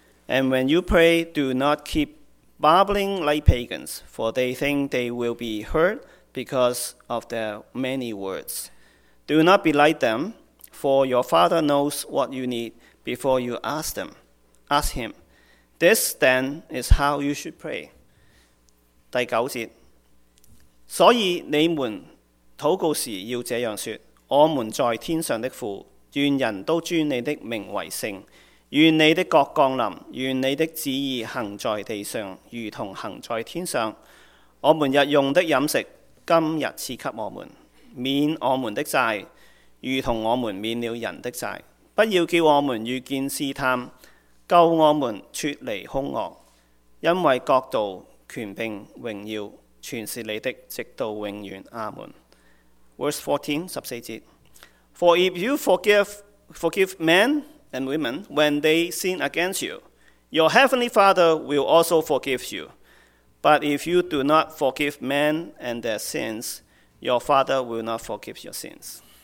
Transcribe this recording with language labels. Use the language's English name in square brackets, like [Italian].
[English] And when you pray, do not keep babbling like pagans, for they think they will be heard because of their many words. Do not be like them, for your Father knows what you need before you ask him. This, then, is how you should pray. [Chinese] 第九節，所以你們禱告時要這樣說：我們在天上的父，願人都尊你的名為聖，願你的國降臨，願你的旨意行在地上，如同行在天上。我們日用的飲食，今日賜給我們，免我們的債，如同我們免了人的債。不要叫我們遇見試探，救我們脫離兇惡，因為國度权柄荣耀全是你的，直到永远，阿门。 [English] Verse 14, [Chinese] 十四节。 [English] For if you forgive men and women when they sin against you, your heavenly Father will also forgive you. But if you do not forgive men and their sins, your Father will not forgive your sins.